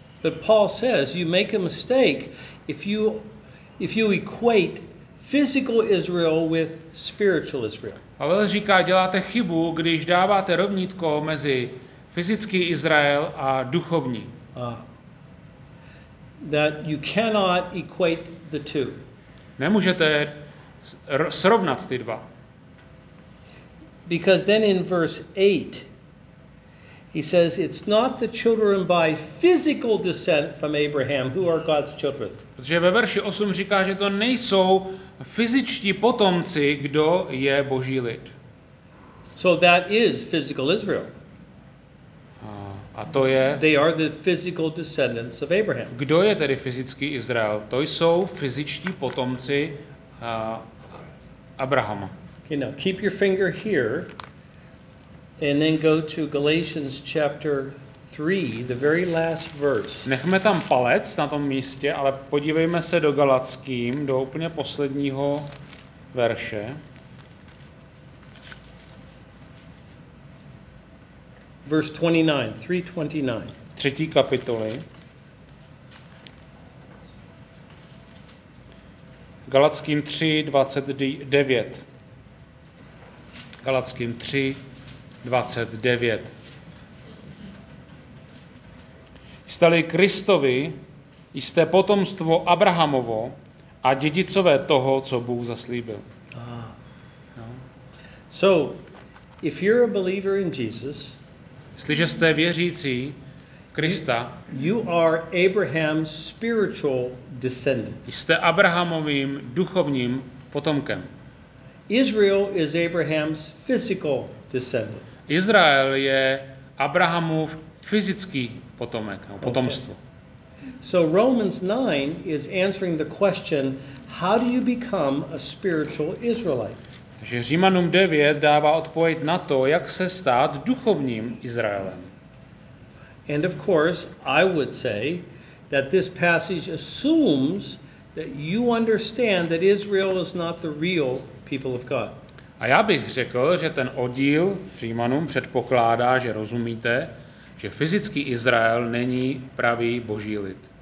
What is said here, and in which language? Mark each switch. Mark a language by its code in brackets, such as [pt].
[en] But Paul says you make a mistake if you equate physical Israel with spiritual Israel. [cs] Pavel říká, děláte chybu, když dáváte rovnítko mezi fyzický Izrael a duchovní. [en] That you cannot equate the two. [cs] Nemůžete srovnat ty dva. [en] Because then in verse 8, he says, it's not the children by physical descent from Abraham who are God's children. [cs] Protože ve verši 8 říká, že to nejsou fyzičtí potomci, kdo je Boží lid. [en] So that is physical Israel. [cs] A to je... [en] They are the physical descendants of Abraham. [cs] Kdo je tedy fyzický Izrael? To jsou fyzičtí potomci Abrahama. [en] Okay, now keep your finger here and then go to Galatians chapter 3, the very last verse. [cs] Nechme tam palec na tom místě, ale podívejme se do Galackým, do úplně posledního verše. [en] Verse 29. [cs] Třetí kapitoly. Galackým 3:29. Galackým 3:29. Jste-li Kristovi, jste potomstvo Abrahamovo a dědicové toho, co Bůh zaslíbil. No. [en] So, if you're a believer in Jesus, [cs] jestliže jste věřící Krista, [en] you are Abraham's spiritual descendant. [cs] Jste Abrahamovým duchovním potomkem. [en] Israel is Abraham's physical descendant. [cs] Izrael je Abrahamův fyzický potomek, no, potomstvo. Okay. [en] So Romans 9 is answering the question, how do you become a spiritual Israelite? [cs] Že Římanům 9 dává odpověď na to, jak se stát duchovním Izraelem. [en] And of course, I would say that this passage assumes that you understand that Israel is not the real people of God. [cs] A já bych řekl, že ten oddíl v Římanům předpokládá, že rozumíte, že fyzický Izrael není pravý boží lid.